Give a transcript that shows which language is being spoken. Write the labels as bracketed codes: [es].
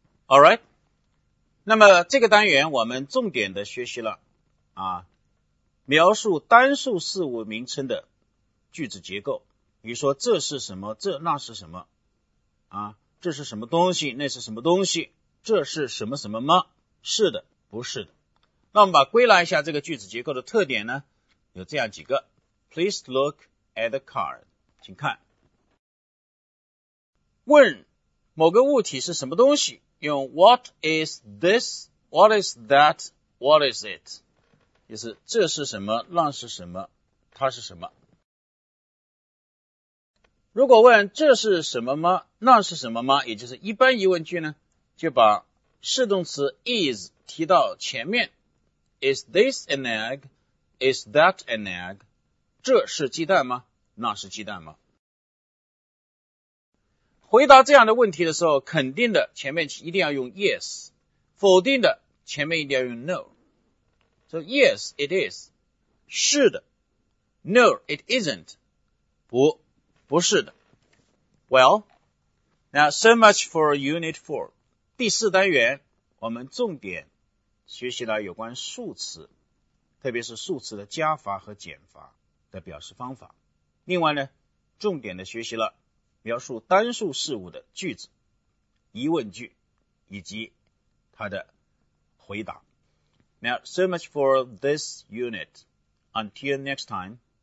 [zh] Alright, 那么这个单元我们重点的学习了啊，描述单数事物名称的句子结构，比如说这是什么，这那是什么啊，这是什么东西，那是什么东西，这是什么什么吗？是的，不是的。那我们把归纳一下这个句子结构的特点呢，有这样几个。 [en] Please look at the card. [zh] 请看。问某个物体是什么东西，用 [en] what is this, what is that, what is it? [zh] 就是这是什么，那是什么，它是什么。如果问这是什么吗，那是什么吗，也就是一般疑问句呢，就把是动词 is 提到前面。 [en] Is this an egg? Is that an egg? [zh] 这是鸡蛋吗？那是鸡蛋吗？回答这样的问题的时候，肯定的前面一定要用 yes， 否定的前面一定要用 no。 [en] So yes it is， [zh] 是的。 [en] No it isn't， [zh] 不是的。 [en] Well， now so much for unit 4， [zh] 第四单元我们重点学习了有关数词，特别是数词的加法和减法的表示方法。另外呢，重点的学习了描述单数事物的句子、疑问句以及它的回答。 [en] Now, so much for this unit. Until next time.